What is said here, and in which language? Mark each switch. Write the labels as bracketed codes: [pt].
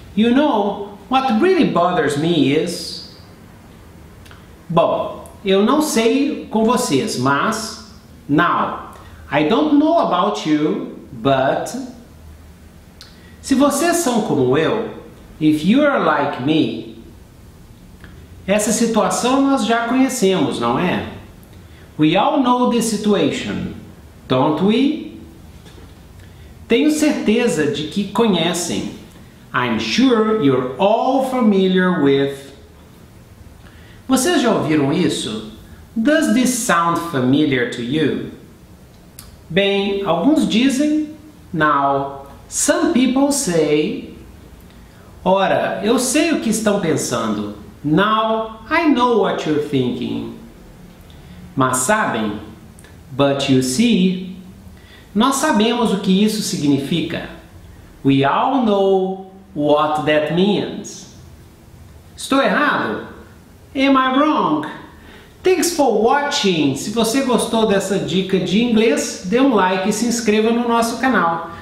[en] You know, what really bothers me is... [pt] Bom, eu não sei com vocês, mas... [en] Now, I don't know about you, but... [pt] Se vocês são como eu, [en] if you are like me... [pt] Essa situação nós já conhecemos, não é? [en] We all know this situation, don't we? [pt] Tenho certeza de que conhecem. [en] I'm sure you're all familiar with... [pt] Vocês já ouviram isso? [en] Does this sound familiar to you? [pt] Bem, alguns dizem... [en] Now, some people say... [pt] Ora, eu sei o que estão pensando. [en] Now, I know what you're thinking. [pt] Mas sabem? [en] But you see... [pt] Nós sabemos o que isso significa. [en] We all know... What that means. [pt] Estou errado? [en] Am I wrong? Thanks for watching. [pt] Se você gostou dessa dica de inglês, dê um like e se inscreva no nosso canal.